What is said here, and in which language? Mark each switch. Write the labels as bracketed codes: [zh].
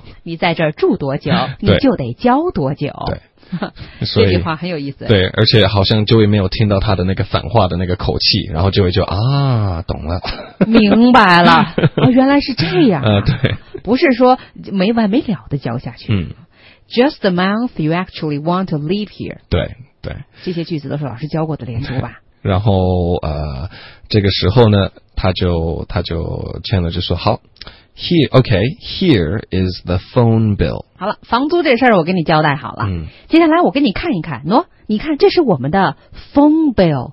[zh] 你在这儿住多久，你就得交多久。对，所以这句话很有意思。对，而且好像 Joey 没有听到他的那个反话的那个口气，然后 Joey 就啊，懂了，明白了，哦，原来是这样啊。对，不是说没完没了的交下去。嗯。 [en] Just the month you actually want to live here. [zh] 对对，这些句子都是老师教过的连读吧。然后这个时候呢，他就签了，就说好 ， [en] here is the phone bill. [zh] 好了，房租这事儿我给你交代好了。嗯，接下来我给你看一看，你看这是我们的 phone bill.